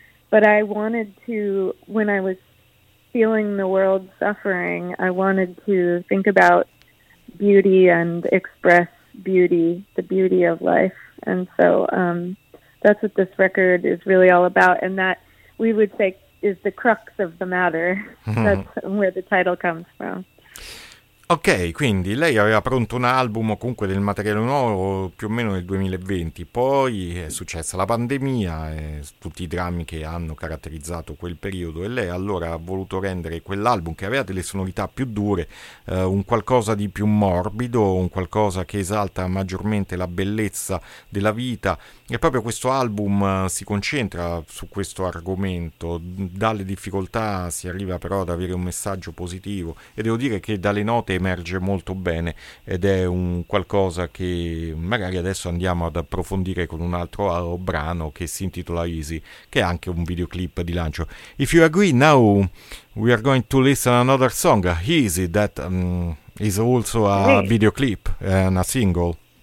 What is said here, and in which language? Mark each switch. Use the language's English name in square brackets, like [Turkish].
[English] But I wanted to, when I was feeling the world suffering, I wanted to think about beauty and express beauty, the beauty of life. And so that's what this record is really all about. And that, we would say, is the crux of the matter. That's where the title comes from. [Italian] Ok, quindi lei aveva pronto un album comunque del materiale nuovo più o meno nel 2020, poi è successa la pandemia e tutti i drammi che hanno caratterizzato quel periodo, e lei allora ha voluto rendere quell'album, che aveva delle sonorità più dure, un qualcosa di più morbido, un qualcosa che esalta maggiormente la bellezza della vita. E proprio questo album si concentra su questo argomento: dalle difficoltà si arriva però ad avere un messaggio positivo, e devo dire che dalle note emerge molto bene, ed è un qualcosa che magari adesso andiamo ad approfondire con un altro brano che si intitola Easy, che è anche un videoclip di lancio. [English] If you agree, now we are going to listen another song, Easy, that is also a videoclip and a single.